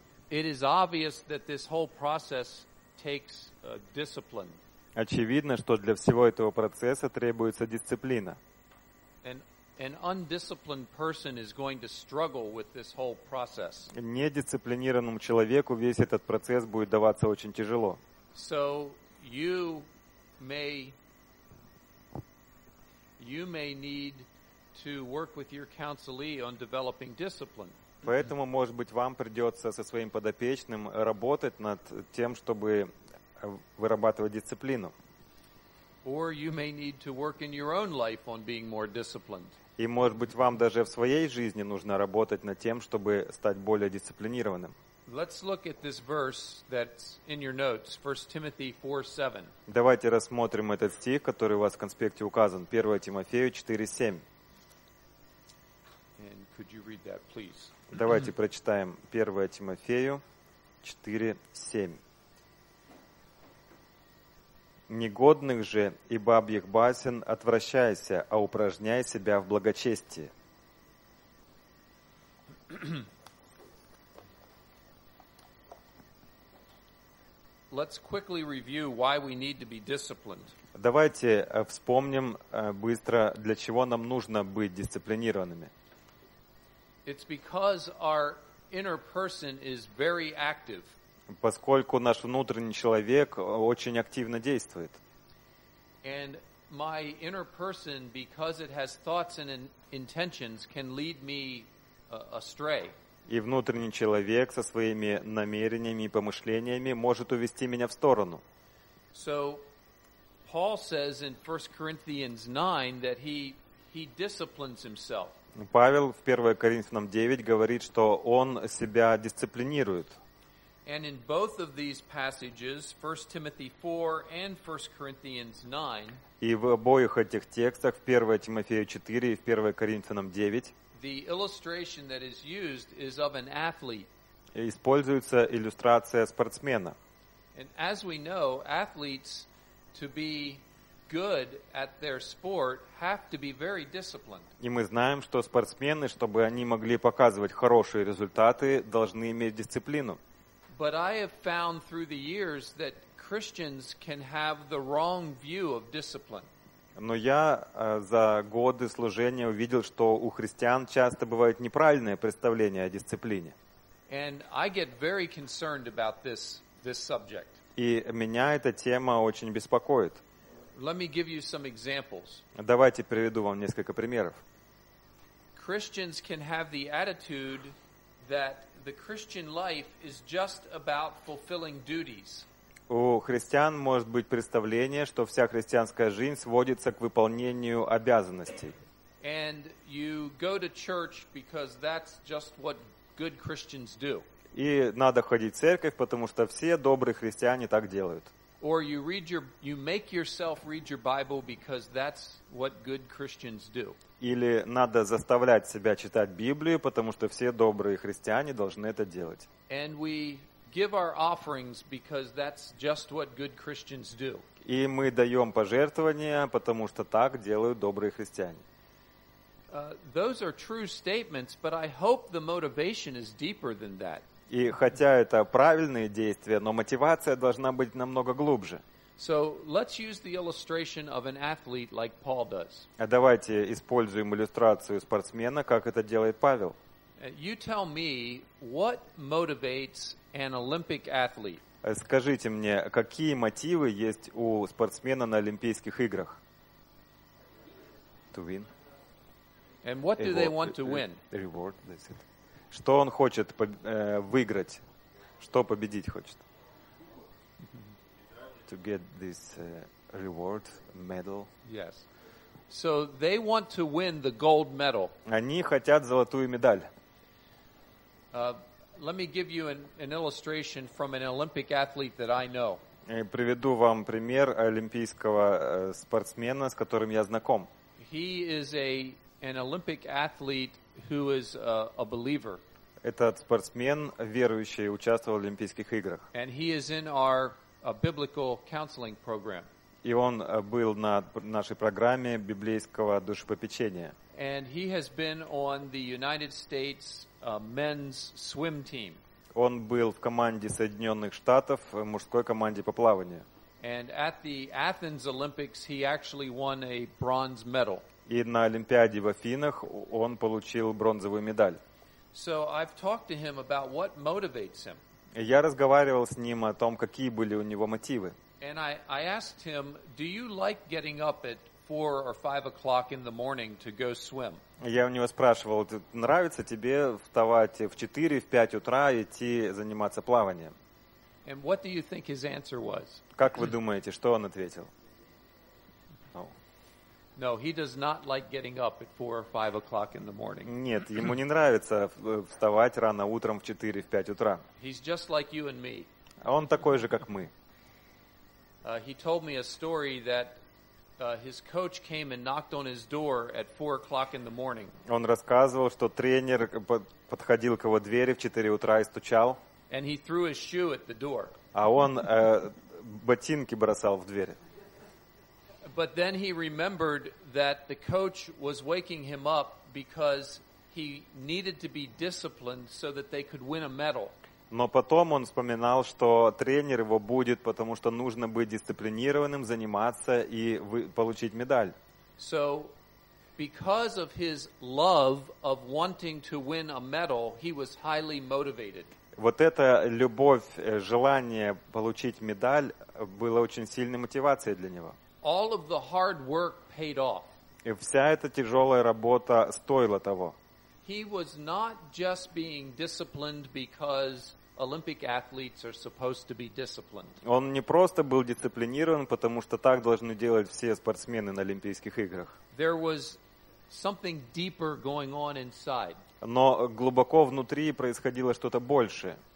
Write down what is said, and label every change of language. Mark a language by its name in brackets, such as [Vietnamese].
[English] It is obvious that this whole process takes discipline. [Russian] Очевидно, что для всего этого процесса требуется дисциплина. [English] An undisciplined person is going to struggle with this whole process. [Russian] Недисциплинированному человеку весь этот процесс будет даваться очень тяжело. [English] So you may need to work with your counselee on developing discipline. [Russian] Поэтому, может быть, вам придется со своим подопечным работать над тем, чтобы вырабатывать дисциплину. [English] Or you may need to work in your own life on being more disciplined. [Russian] И, может быть, вам даже в своей жизни нужно работать над тем, чтобы стать более дисциплинированным. [English] Let's look at this verse that's in your notes, 1 Timothy 4:7. [Russian] Давайте рассмотрим этот стих, который у вас в конспекте указан, 1 Тимофею 4:7. [English] And could you read that, please? [Russian] Давайте прочитаем 1 Тимофею 4:7. Негодных же и бабьих басен отвращайся, а упражняй себя в благочестии. [English] Let's quickly review why we need to be disciplined. [Russian] Давайте вспомним быстро, для чего нам нужно быть дисциплинированными. [English] It's because our inner person is very active. [Russian] Поскольку наш внутренний человек очень активно действует. [English] And my inner person, because it has thoughts and intentions, can lead me astray. [Russian] И внутренний человек со своими намерениями и помышлениями может увести меня в сторону. [English] So Paul says in 1 Corinthians 9 that he disciplines himself. [Russian] Павел в 1 Коринфянам 9 говорит, что он себя дисциплинирует. [English] And in both of these passages, 1 Timothy 4 and 1 Corinthians 9, [Russian] и в обоих этих текстах, в 1 Тимофею 4 и в 1 Коринфянам 9, [English] the illustration that is used is of an athlete. [Russian] Используется иллюстрация спортсмена. [English] And as we know, athletes, to be good at their sport, have to be very disciplined. [Russian] И мы знаем, что спортсмены, чтобы они могли показывать хорошие результаты, должны иметь дисциплину. [English] But I have found through the years that Christians can have the wrong view of discipline. [Russian] Но я за годы служения увидел, что у христиан часто бывает неправильное представление о дисциплине. [English] And I get very concerned about this subject. [Russian] И меня эта тема очень беспокоит. [English] Let me give you some examples. [Russian] Давайте приведу вам несколько примеров. [English] Christians can have the attitude that the Christian life is just about fulfilling duties. [Russian] У христиан может быть представление, что вся христианская жизнь сводится к выполнению обязанностей. [English] And you go to church because that's just what good Christians do. [Russian] И надо ходить в церковь, потому что все добрые христиане так делают. [English] Or you make yourself read your Bible because that's what good Christians do. [Russian] Или надо заставлять себя читать Библию, потому что все добрые христиане должны это делать. [English] And we give our offerings because that's just what good Christians do. [Russian] И мы даем пожертвования, потому что так делают добрые христиане. [English] Those are true statements, but I hope the motivation is deeper than that. [Russian] И хотя это правильные действия, но мотивация должна быть намного глубже. [English] So let's use the illustration of an athlete like Paul does. [Russian] А давайте используем иллюстрацию спортсмена, как это делает Павел. [English] You tell me what motivates an Olympic athlete. [Russian] Скажите мне, какие мотивы есть у спортсмена на Олимпийских играх? [English] To win. And what do they want to win? Reward, that's it. [Russian] Что он хочет выиграть? Что победить хочет? [English] To get this reward, medal. Yes. So they want to win the gold medal. [Russian] Они хотят золотую медаль. [English] Let me give you an illustration from an Olympic athlete that I know. [Russian] Приведу вам пример олимпийского спортсмена, с которым я знаком. [English] He is an Olympic athlete who is a believer. [Russian] Этот спортсмен верующий участвовал в Олимпийских играх. [English] And he is in our biblical counseling program. [Russian] И он был на нашей программе библейского душепопечения. [English] And he has been on the United States men's swim team. [Russian] Он был в команде Соединенных Штатов, мужской команде по плаванию. [English] And at the Athens Olympics he actually won a bronze medal. [Russian] И на Олимпиаде в Афинах он получил бронзовую медаль. [English] So I've talked to him about what motivates him. [Russian] Я разговаривал с ним о том, какие были у него мотивы. [English] And I asked him, "Do you like getting up at 4 or 5 o'clock in the morning to go swim?" [Russian] Я у него спрашивал: "Нравится тебе вставать в 4, в 5 утра и идти заниматься плаванием?" [English] And what do you think his answer was? [Russian] Как вы думаете, что он ответил? [English] No, he does not like getting up at 4 or 5 o'clock in the morning. [Russian] Нет, ему не нравится вставать рано утром в 4, в 5 утра. [English] He's just like you and me. [Russian] Он такой же, как мы. [English] He told me a story that his coach came and knocked on his door at 4 o'clock in the morning. [Russian] Он рассказывал, что тренер подходил к его двери в 4 утра и стучал. [English] And he threw his shoe at the door. [Russian] А он ботинки бросал в дверь. [English] But then he remembered that the coach was waking him up because he needed to be disciplined so that they could win a medal. [Russian] Но потом он вспоминал, что тренер его будет, потому что нужно быть дисциплинированным, заниматься и получить медаль. [English] So because of his love of wanting to win a medal, he was highly motivated. [Russian] Вот эта любовь, желание получить медаль было очень сильной мотивацией для него. [English] All of the hard work paid off. [Russian] И вся эта тяжелая работа стоила того. [English] He was not just being disciplined because Olympic athletes are supposed to be disciplined. [Russian] Он не просто был дисциплинирован, потому что так должны делать все спортсмены на Олимпийских играх. [English] There was something deeper going on inside. [Russian] Но глубоко внутри происходило что-то большее.